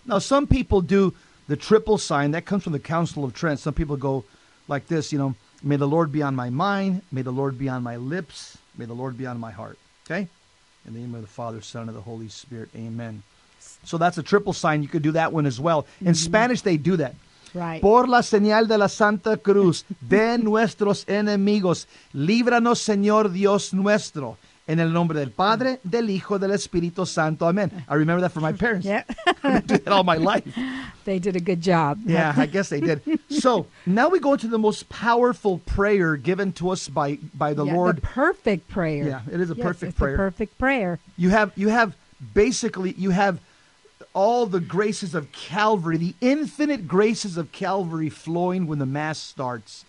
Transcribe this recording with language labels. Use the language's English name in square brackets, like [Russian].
[English] Now, some people do the triple sign. That comes from the Council of Trent. Some people go like this, you know, may the Lord be on my mind. May the Lord be on my lips. May the Lord be on my heart. Okay? In the name of the Father, Son, and the Holy Spirit. Amen. So that's a triple sign. You could do that one as well. In Spanish, they do that. Right. [Spanish] Por la señal de la Santa Cruz de nuestros enemigos, líbranos, Señor Dios nuestro, en el nombre del Padre, del Hijo, del Espíritu Santo. [English] Amen. I remember that from my parents. Yeah. I did that all my life. They did a good job. Yeah, I guess they did. So now we go to the most powerful prayer given to us by the Lord. The perfect prayer. Yeah, it is a perfect prayer. It's a perfect prayer. You have all the graces of Calvary, the infinite graces of Calvary flowing when the Mass starts.